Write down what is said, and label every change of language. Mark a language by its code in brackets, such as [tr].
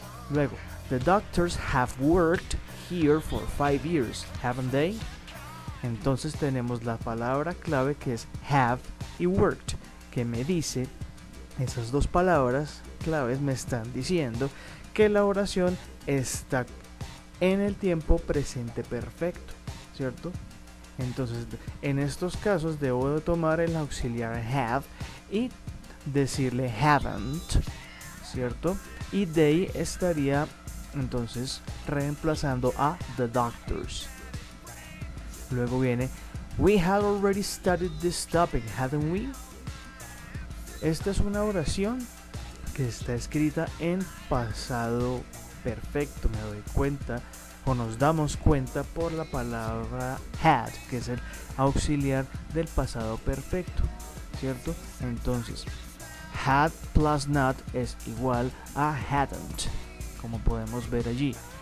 [en] Luego, the doctors have worked here for 5 years, haven't they? [es] Entonces tenemos la palabra clave, que es have y worked, que me dice, esas dos palabras claves me están diciendo que la oración está en el tiempo presente perfecto, ¿cierto? Entonces, en estos casos debo de tomar el auxiliar have y decirle haven't, ¿cierto? Y they estaría entonces reemplazando a the doctors. Luego viene, [en] we have already studied this topic, haven't we? [es] Esta es una oración que está escrita en pasado perfecto. Me doy cuenta, o nos damos cuenta, por la palabra had, que es el auxiliar del pasado perfecto, ¿cierto? Entonces, had plus not es igual a hadn't, como podemos ver allí.